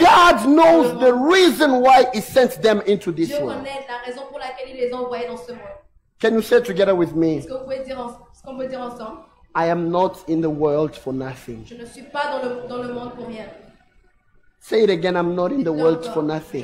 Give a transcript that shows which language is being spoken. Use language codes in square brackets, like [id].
[en] God knows the reason why he sent them into this [fr] Dieu [en] world. [fr] Dieu connaît la raison pour laquelle il les envoyait dans ce monde. [en] Can you say together with me? [fr] Est-ce que vous pouvez dire ensemble? [en] I am not in the world for nothing. [fr] Je ne suis pas dans le monde pour rien. [en] Say it again, I'm not in the world for nothing.